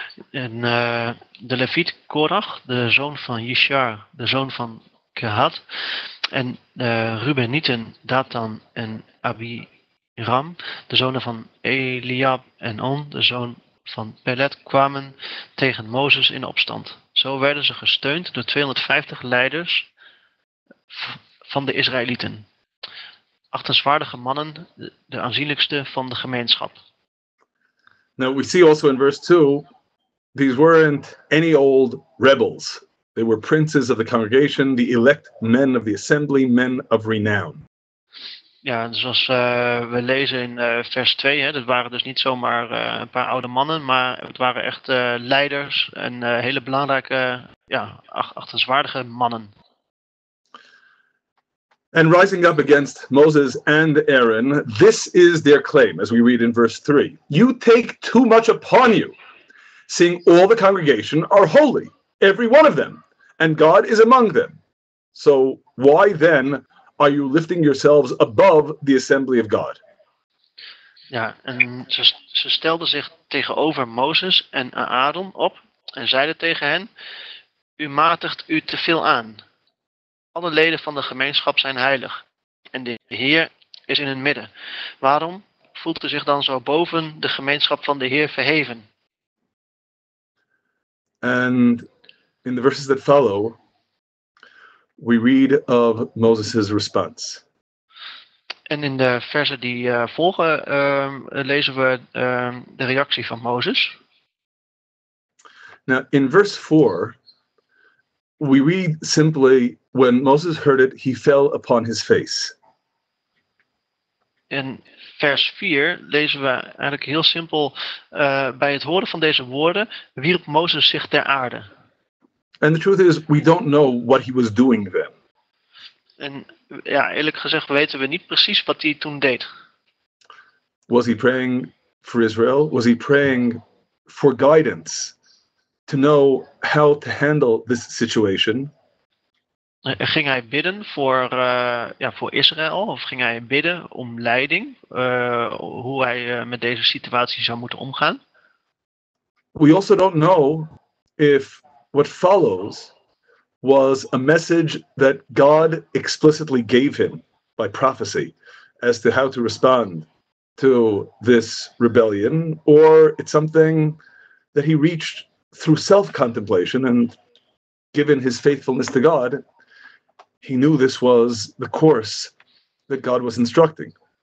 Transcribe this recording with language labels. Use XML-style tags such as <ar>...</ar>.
<nl>En de Leviet Korach, de zoon van Yishar, de zoon van Kehat, en de Rubenieten Datan en Abiram, de zonen van Eliab en On, de zoon van Pelet, kwamen tegen Mozes in opstand. Zo werden ze gesteund door 250 leiders van de Israëlieten, achtenswaardige mannen, de aanzienlijkste van de gemeenschap.</nl> <en>Now we see also in verse 2, these weren't any old rebels. They were princes of the congregation, the elect men of the assembly, men of renown.</en> <nl>Ja, zoals we lezen in vers 2, hè, dat waren dus niet zomaar een paar oude mannen, maar het waren echt leiders en hele belangrijke, achtenswaardige mannen.</nl> <en>And rising up against Moses and Aaron, this is their claim, as we read in verse 3. You take too much upon you, seeing all the congregation are holy, every one of them, and God is among them. So why then are you lifting yourselves above the assembly of God?</en> <nl>Ja, en ze stelden zich tegenover Mozes en Aaron op en zeiden tegen hen, u matigt u te veel aan. Alle leden van de gemeenschap zijn heilig en de Heer is in hun midden. Waarom voelt u zich dan zo boven de gemeenschap van de Heer verheven?</nl> <en>And in the verses that follow, we read of Moses' response.</en> <nl>En in de versen die volgen, lezen we de reactie van Moses.</nl> <en>Now, in verse 4, we read simply, when Moses heard it, he fell upon his face.</en> <nl>In vers 4 lezen we eigenlijk heel simpel, bij het horen van deze woorden wierp Mozes zich ter aarde.</nl> <en>And the truth is, we don't know what he was doing then.</en> <nl>En ja, eerlijk gezegd weten we niet precies wat hij toen deed.</nl> <en>Was he praying for Israel? Was he praying for guidance to know how to handle this situation?</en> <nl>Ging hij bidden voor Israël? Of ging hij bidden om leiding? Hoe hij met deze situatie zou moeten omgaan?</nl> <en>We also don't know if what follows was a message that God explicitly gave him by prophecy as to how to respond to this rebellion, or it's something that he reached through self-contemplation and given his faithfulness to God, he knew this was the course that God was instructing.</en>